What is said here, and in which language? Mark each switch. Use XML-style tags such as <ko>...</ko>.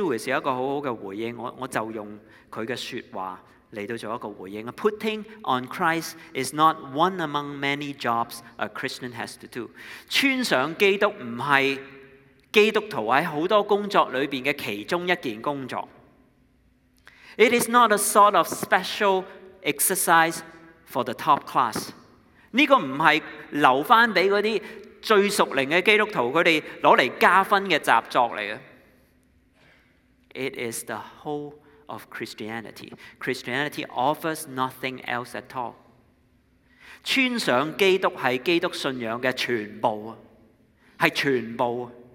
<zh>Lewis 有一个很好的回应， 我就用他的说话来到做一个回应。</zh> <en>Putting on Christ is not one among many jobs a Christian has to do.</en> <zh>穿上基督不是基督徒在很多工作里面的其中一件工作。</zh> <en>It is not a sort of special exercise for the top class.</en> <zh>这个不是留给那些最熟灵的基督徒他们拿来加分的习作来的。</zh> <en>It is the whole of Christianity. Christianity offers nothing else at all.</en> <zh>穿上基督是基督信仰的全部，是全部。</zh>